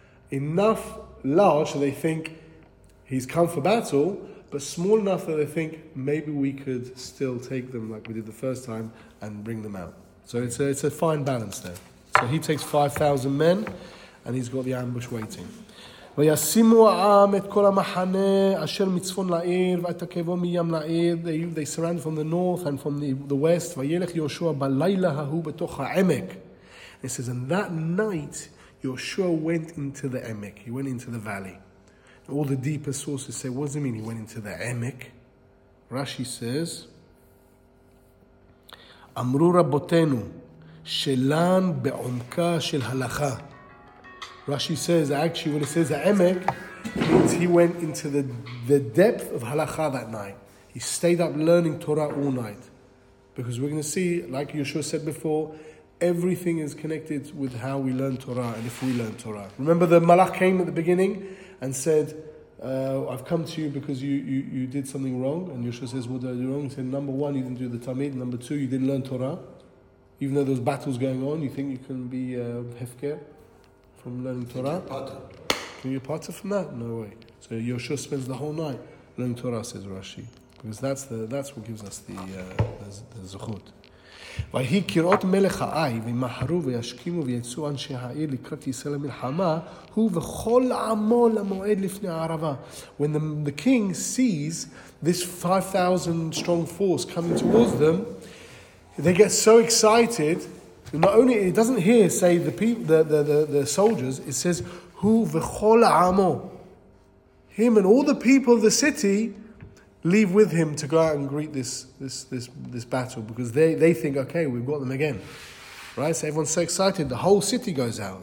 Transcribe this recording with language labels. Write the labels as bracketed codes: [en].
[en] Enough large so they think he's come for battle, but small enough that they think maybe we could still take them like we did the first time and bring them out. So it's a fine balance there. So he takes 5,000 men and he's got the ambush waiting. [he] וישימו העם את כל המחנה אשר מצפון לעיר ואת הקבוע מים לעיר. [en] They surround from the north and from the west. [he] וילך יהושע בלילה ההוא בתוך העמק. [en] It says, and that night, Yoshua went into the emek. He went into the valley. All the deeper sources say, what does it mean he went into the emek? [he] Rashi says, אמרו רבותינו שלן בעומקה של הלכה. [en] Rashi says, actually, when it says Emek, means he went into the depth of halakha that night. He stayed up learning Torah all night. Because we're going to see, like Yeshua said before, everything is connected with how we learn Torah and if we learn Torah. Remember the Malach came at the beginning and said, I've come to you because you did something wrong. And Yeshua says, what did I do wrong? He said, number one, you didn't do the Tamid. Number two, you didn't learn Torah. Even though there's battles going on, you think you can be Hefker? From learning Torah? Can you part from that? No way. So Yoshua spends the whole night learning Torah, says Rashi. Because that's what gives us the Zuchot. [he] ויהי קראות מלך העי, וימהרו וישכימו ויצאו אנשי העיר לקראת ישראל למלחמה, הוא וכל עמו למועד לפני הערבה. [en] When the king sees this 5,000 strong force coming towards them, they get so excited. Not only it doesn't here say the soldiers, it says [he] hu v'chol amo, [en] him and all the people of the city leave with him to go out and greet this battle, because they think, okay, we've got them again, right? So everyone's so excited, the whole city goes out.